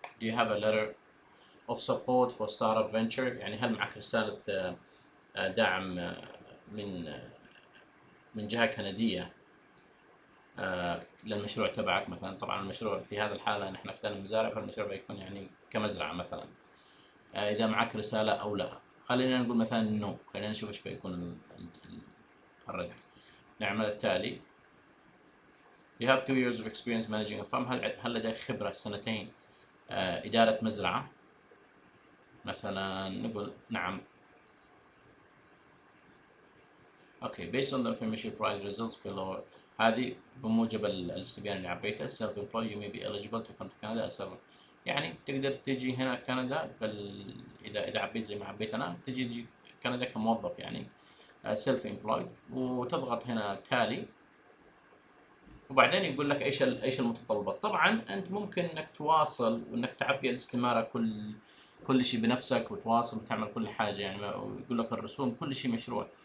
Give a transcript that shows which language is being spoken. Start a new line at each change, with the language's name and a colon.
English: Do you have a letter of support for startup venture؟
Arabic: يعني هل معك رسالة دعم من جهة كندية للمشروع تبعك مثلا؟ طبعا المشروع في هذا الحالة نحن اخذنا مزارع، فالمشروع بيكون يعني كمزرعة مثلا. إذا معك رسالة أو لا، خلينا نقول مثلا نو، خلينا نشوف ايش بيكون الرد. نعمل التالي،
English: You have 2 years of experience managing a farm.
Arabic: هل لديك خبرة سنتين إدارة مزرعة؟ مثلا نقول نعم.
English: Okay, based on the information provided results below,
Arabic: هذه بموجب الاستبيان اللي عبيته،
English: self employed you may be eligible to come to Canada as well.
Arabic: يعني تقدر تجي هنا كندا إذا عبيت زي ما عبيت أنا، تجي كندا كموظف يعني self employed، وتضغط هنا تالي، وبعدين يقول لك إيش المتطلبات. طبعا أنت ممكن إنك تواصل وإنك تعبي الاستمارة كل شيء بنفسك، وتواصل وتعمل كل حاجة يعني، ويقول لك الرسوم كل شيء مشروع.